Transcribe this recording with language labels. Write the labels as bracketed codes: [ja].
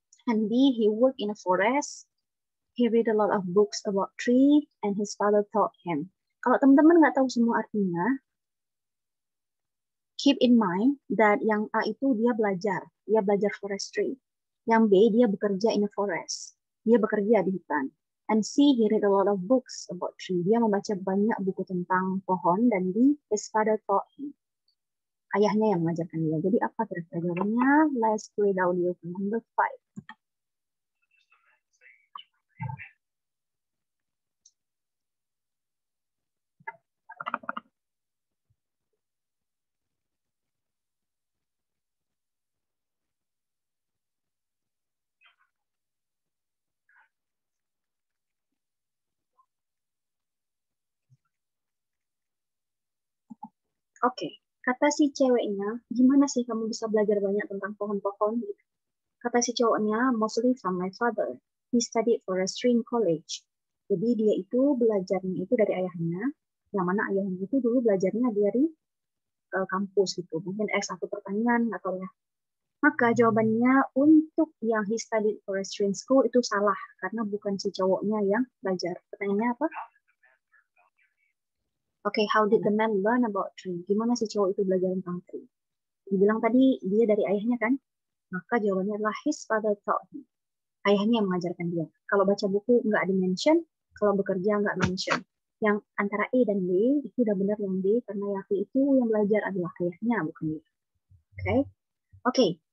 [en] And B, he worked in a forest, he read a lot of books about tree, and his father taught him. [id] Kalau teman-teman nggak tahu semua artinya, [en] keep in mind that [id] yang A itu dia belajar. Dia belajar forestry. Yang B, dia bekerja [en] in a forest. [id] Dia bekerja di hutan. [en] And C, he read a lot of books about tree. [id] Dia membaca banyak buku tentang pohon. Dan D, [en] his father taught him. [id] Ayahnya yang mengajarkan dia. Jadi apa kira-kira jawabannya? [en] Let's play down the open number 5. [id] Oke. Kata si ceweknya, gimana sih kamu bisa belajar banyak tentang pohon-pohon? Kata si cowoknya, [en] mostly from my father. He studied forestry in college. [id] Jadi dia itu belajarnya itu dari ayahnya, yang mana ayahnya itu dulu belajarnya dari kampus gitu. Mungkin S1 pertanian atau ya. Maka jawabannya untuk yang [en] he studied forestry in school [id] itu salah, karena bukan si cowoknya yang belajar. Pertanyaannya apa? [en] Okay, how did the man learn about tree? [id] Gimana si cowok itu belajar tentang tree? Dibilang tadi dia dari ayahnya kan? Maka jawabannya adalah [en] his father taught him. [id] Ayahnya yang mengajarkan dia. Kalau baca buku nggak di mention, kalau bekerja nggak mention. Yang antara A dan B itu udah benar yang B karena yang A itu yang belajar adalah ayahnya bukan dia. Okay.